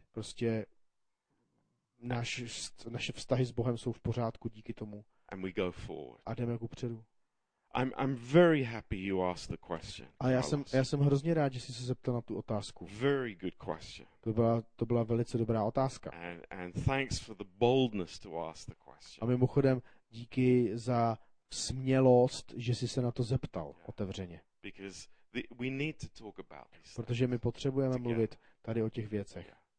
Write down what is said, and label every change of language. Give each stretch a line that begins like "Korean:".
Czech: Prostě naše vztahy s Bohem jsou v pořádku díky tomu.
English: And we go forward.
Czech: A jdeme kupředu.
English: I'm very happy you asked the question.
Czech: A já jsem hrozně rád, že jsi se zeptal na tu otázku.
English: Very good question.
Czech: To byla velice dobrá otázka.
English: And thanks for the boldness to ask the question.
Czech: A mimochodem díky za smělost, že jsi se na to zeptal otevřeně.
English: Because we need to talk about this.
Czech: Protože my potřebujeme mluvit tady o těch věcech.